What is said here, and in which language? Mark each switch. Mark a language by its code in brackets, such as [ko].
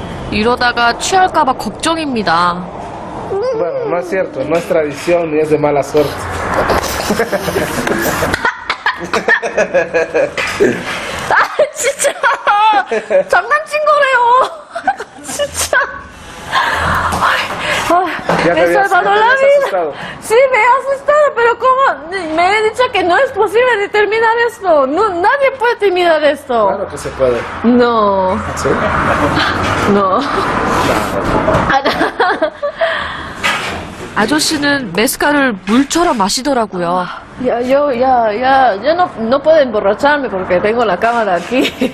[ko] 이러다가 취할까 봐 걱정입니다. [es] Bueno, no es cierto. No es tradición ni es de mala suerte. [ko] 아, 진짜. 장난친 거래요. 진짜. 에스 살발라미나. [es] Sí, me he asustado, pero como me he dicho que no es posible de terminar esto. No, nadie puede terminar esto. Claro que se puede. No. ¿Sí? No. [ko] 아저씨는 메스칼을 물처럼 마시더라고요. [es] Ya, yo, ya, ya, yo no, no puedo emborracharme porque tengo la cámara aquí.